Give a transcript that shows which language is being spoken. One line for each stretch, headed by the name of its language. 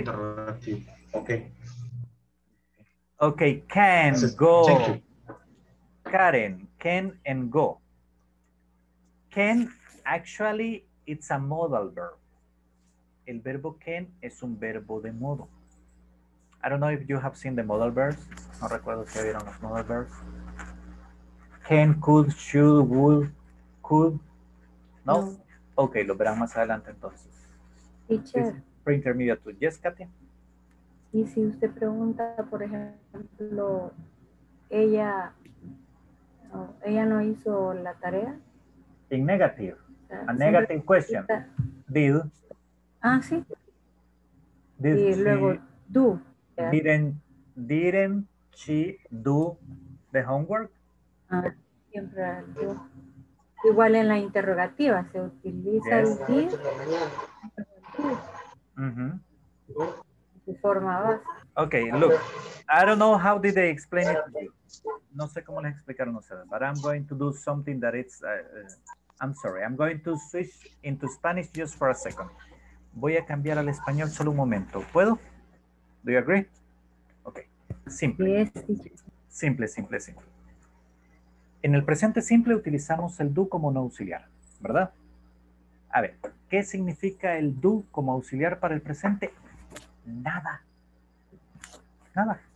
English: Interrogative. Okay. Okay, can, go. Thank you. Karen, can and go. Can, actually, it's a modal verb.
Spanish: El verbo can es un verbo de modo.
English: I don't know if you have seen the modal verbs.
Spanish: No recuerdo si vieron los modal verbs. Can, could, should, would, could. No. Ok, lo verán más adelante entonces. Pre-intermediate. Yes, Katia. Y si usted pregunta, por ejemplo, ella no hizo la tarea.
English: In negative. A negative question. Did.
Spanish: Ah, sí. Did y luego, she, do.
English: Didn't she do the homework?
Spanish: Siempre do. Igual en la interrogativa se utiliza el did. Uh-huh. De forma base.
English: Okay, look. I don't know how did they explain it to you.
Spanish: No sé cómo les explicaron ustedes.
English: But I'm going to do something that it's... I'm sorry. I'm going to switch into Spanish just for a second.
Spanish: Voy a cambiar al español solo un momento. ¿Puedo?
English: Do you agree? Okay. Simple. Yes. Simple, simple, simple.
Spanish: En el presente simple utilizamos el do como no auxiliar, ¿verdad? A ver, ¿qué significa el do como auxiliar para el presente? Nada. Nada.